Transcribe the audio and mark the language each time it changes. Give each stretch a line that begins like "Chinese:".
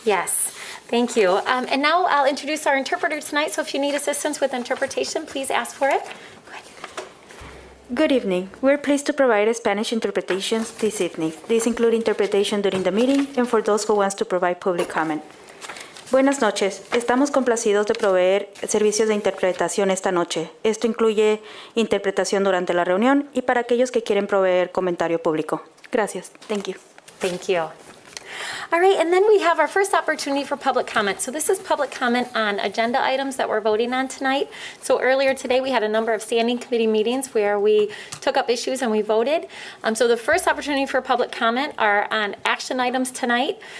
English: Yes. Thank you. And now I'll introduce our interpreter tonight. So if you need assistance with interpretation, please ask for it. Go ahead. Good evening. We're pleased to provide Spanish interpretations this evening. These include interpretation during the meeting and for those who wants to provide public comment.
Spanish: Buenas noches. Estamos complacidos de proveer servicios de interpretación esta noche. Esto incluye interpretación durante la reunión y para aquellos que quieren proveer comentario público. Gracias.
English: Thank you. Thank you. All right, and then we have our first opportunity for public comment. So this is public comment on agenda items that we're voting on tonight. So earlier today, we had a number of standing committee meetings where we took up issues and we voted. So the first opportunity for public comment are on action items tonight.